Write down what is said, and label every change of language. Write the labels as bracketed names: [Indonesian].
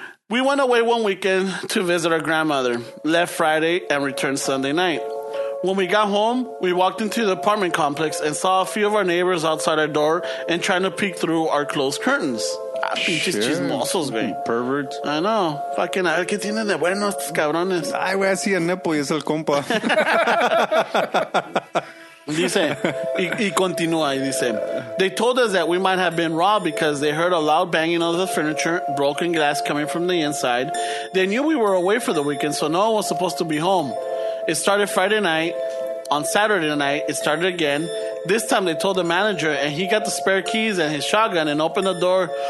[English] We went away one weekend to visit our grandmother, left Friday and returned Sunday night. When we got home, we walked into the apartment complex and saw a few of our neighbors outside our door and trying to peek through our closed curtains. [Spanish] Pinches chismosos, güey. [English] Perverts. I know. [Spanish] Fucking, a ver qué tienen de bueno estos cabrones. Ay, güey, así a nepo y es el compa. Dice, y continúa, y dice, [English] they told us that we might have been robbed because they heard a loud banging of the furniture, broken glass coming from the inside. They knew we were away for the weekend, so no one was supposed to be home. It started Friday night. On Saturday night, it started again. This time they told the manager, and he got the spare keys and his shotgun and opened the door.